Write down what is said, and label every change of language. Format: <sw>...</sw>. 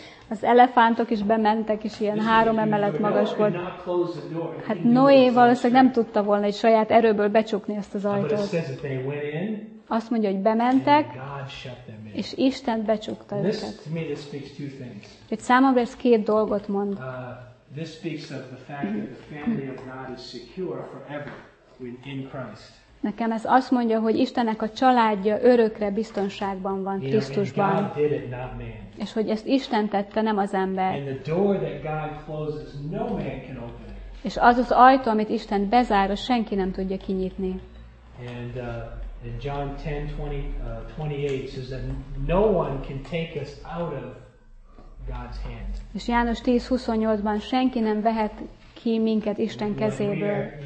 <hu>Az elefántok is bementek, és ilyen három emelet magas volt. Hát Noé valószínűleg nem tudta volna egy saját erőből becsukni ezt az ajtót. Azt mondja, hogy bementek, és Isten becsukta őket. Hogy számomra ez két dolgot mond.</hu> <en>This speaks of the fact that the family of God is secure forever. In Christ.</en> <hu>Nekem ez azt mondja, hogy Istennek a családja örökre biztonságban van Krisztusban.</hu> <en>And God did it, not man.</en> <hu>És hogy ezt Isten tette, nem az ember.</hu> <en>And the door that God closes, no man can open.</en> <hu>És az az ajtó, amit Isten bezár, az senki nem tudja kinyitni.</hu> <en>And John 10:28 says that no one can take us out of God's hand.</en> <hu>És János 10:28-ban senki nem vehet ki minket Isten kezéből.</hu>